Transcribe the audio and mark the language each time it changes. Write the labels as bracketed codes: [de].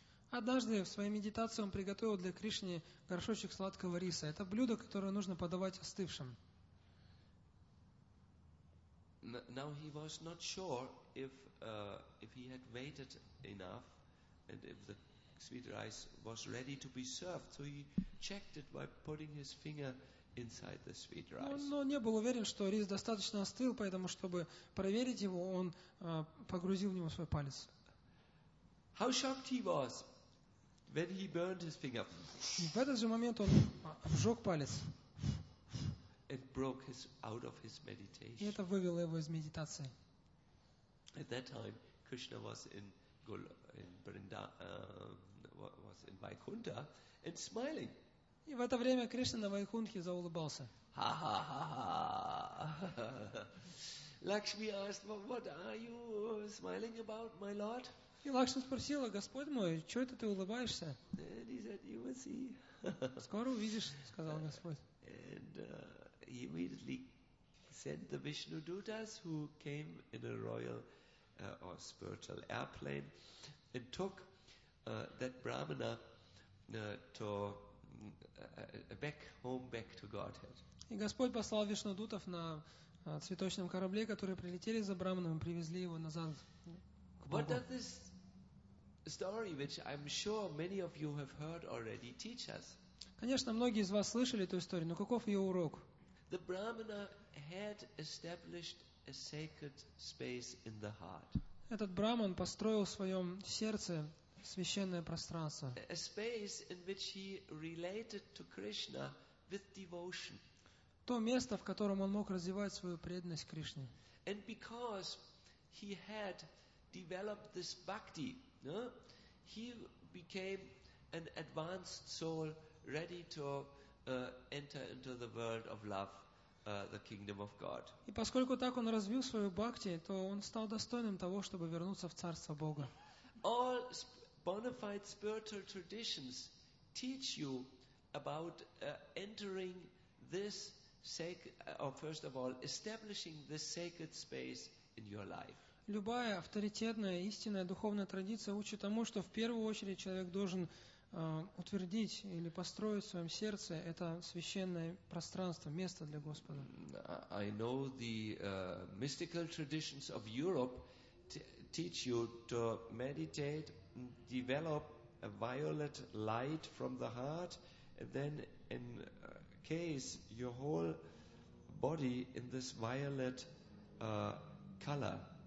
[ru] Однажды в своей медитации он приготовил для Кришны горшочек сладкого риса. Это блюдо, которое нужно подавать остывшим. [en] Now he was not sure if he had waited enough. And if the sweet rice was ready to be served, so he checked it by putting his finger inside the sweet rice. [ru] Но не был уверен, что рис достаточно остыл, поэтому, чтобы проверить его, он погрузил в него свой палец. [en] How shocked he was when he burned his finger. [ru] В этот же момент он обжег палец. [en] It broke his out of his meditation. [ru] И это вывело его из медитации. [en] At that time, Krishna was in was in Vaikuntha and smiling. [ru] И в это время Кришна на Вайкунтхе заулыбался. Ха-ха-ха-ха. [en] Lakshmi asked, well, "What are you smiling about, my lord?" [ru] И Лакшми спросила: "Господь мой, что это ты улыбаешься?" [en] And he said, "You will see." [ru] Скоро увидишь, сказал Господь. [en] And he immediately sent the Vishnu Dutas, who came in a royal or spiritual airplane, and took that brahmana to back to Godhead. [ru] И Господь послал вишнудутов на цветочном корабле, которые прилетели за брахманом и привезли его назад. [en] What does this story, which I'm sure many of you have heard already, teach us? [ru] Конечно, многие из вас слышали эту историю, но каков ее урок? [en] The brahmana had established a sacred space in the heart. [ru] Этот брахман построил в своем сердце священное пространство. [en] A space in which he related to Krishna with devotion. [ru] То место, в котором он мог развивать свою преданность Кришне. [en] And because he had developed this bhakti, he became an advanced soul ready to enter into the world of love. The kingdom of God. [ru] И поскольку так он развил свою бхакти, то он стал достойным того, чтобы вернуться в царство Бога. [en] All bona fide spiritual traditions teach you about entering this sacred, or first of all, establishing this sacred space in your life. [ru] Любая авторитетная истинная духовная традиция учит тому, что в первую очередь человек должен утвердить или построить в своем сердце это священное пространство, место для Господа. [en] I know the mystical traditions of Europe teach you to meditate, develop a violet light from the heart, and then encase your whole body in this violet color.